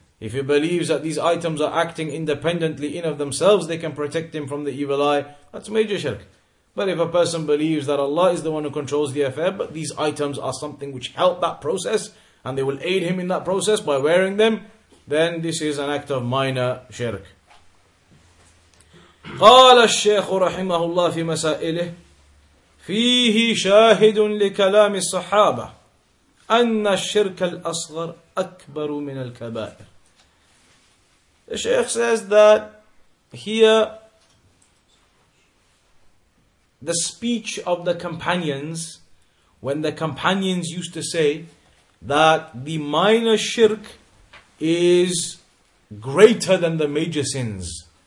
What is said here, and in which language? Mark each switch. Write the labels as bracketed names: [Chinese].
[English] If he believes that these items are acting independently in of themselves, they can protect him from the evil eye, that's major shirk. But if a person believes that Allah is the one who controls the affair, but these items are something which help that process, and they will aid him in that process by wearing them, then this is an act of minor shirk. [Arabic] قال الشيخ رحمه الله في مسائله فيه شاهد لكلام الصحابة أن الشرك الأصغر أكبر من الكبائر. [English] The Shaykh says that here the speech of the companions, when the companions used to say that the minor shirk is greater than the major sins.